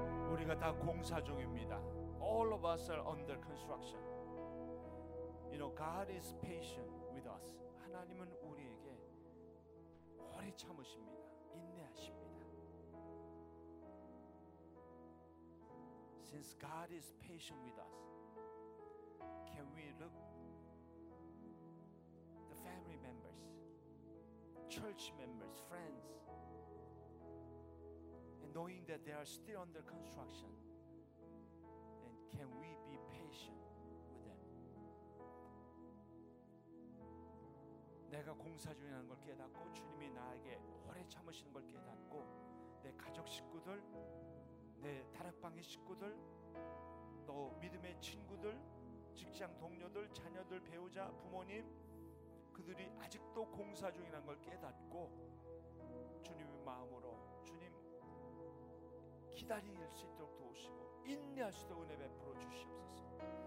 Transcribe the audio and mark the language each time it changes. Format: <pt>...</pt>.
<ko>우리가 다 공사중입니다.</ko> <en>All of us are under construction. You know, God is patient with us.</en> <ko>하나님은 우리에게 오래 참으십니다. 인내하십니다.</ko> <en>Since God is patient with us, can we look the family members, church members, friends, and knowing that they are still under construction, and can we be patient with them?</en> <ko>내가 공사 중이라는 걸 깨닫고 주님이 나에게 오래 참으시는 걸 깨닫고 내 가족 식구들, 내 다락방의 식구들, 또 믿음의 친구들, 직장 동료들, 자녀들, 배우자, 부모님 그들이 아직도 공사 중이라는 걸 깨닫고 주님의 마음으로 주님 기다릴 수 있도록 도우시고 인내할 수 있도록 은혜 베풀어 주시옵소서.</ko>